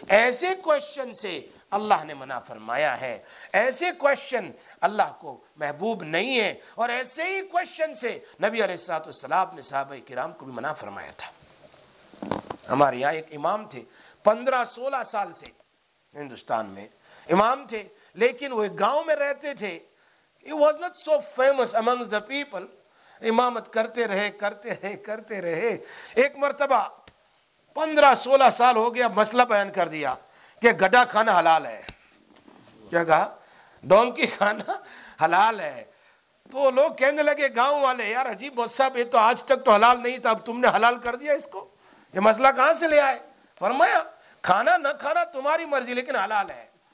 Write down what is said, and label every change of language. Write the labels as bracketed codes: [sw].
[ur] ایسے کوشچن سے اللہ نے منع فرمایا ہے، ایسے کوشچن اللہ کو محبوب نہیں ہے، اور ایسے ہی کوشچن سے نبی علیہ الصلوۃ والسلام نے صحابہ کرام کو بھی منع فرمایا تھا. ہمارے یہاں ایک امام تھے 15-16 سال سے ہندوستان میں امام تھے، لیکن وہ ایک گاؤں میں رہتے تھے. [en] He was not so famous amongst the people. [ur] امامت کرتے رہے. ایک مرتبہ 15-16 سال ہو گیا، مسئلہ بیان کر دیا کہ گدا کھانا حلال ہے. کیا کہا؟ [en] donkey [ur] کھانا حلال ہے. تو لوگ کہنے لگے گاؤں والے، یار عجیب صاحب، یہ تو آج تک تو حلال نہیں تھا، اب تم نے حلال کر دیا اس کو، یہ مسئلہ کہاں سے لے آئے؟ فرمایا کھانا نہ کھانا تمہاری مرضی، لیکن حلال ہے.